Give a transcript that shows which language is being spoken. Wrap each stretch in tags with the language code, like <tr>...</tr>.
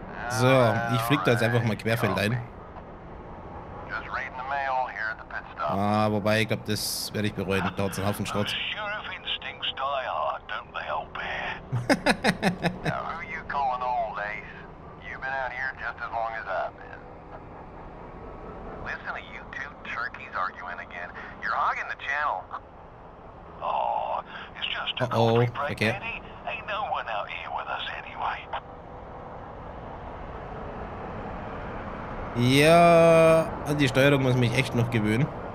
<de>So, ich flieg da jetzt einfach mal querfeld ein.</de> <en>Just reading the mail here at the pit stop.</en> <de>Ah, wobei, ich glaube, das werde ich bereuen. Da hat's einen Haufen Schrott.</de> <en>Sheriff instincts die hard, don't they, old bear? Now, who you calling old ace? You've been out here just as long as I've been. Listen to you two turkeys arguing again. You're hogging the channel. Oh, it's just a break, Eddie. Ain't no one out here with us anyway.</en> <de>Ja, an die Steuerung muss ich mich echt noch gewöhnen.</de>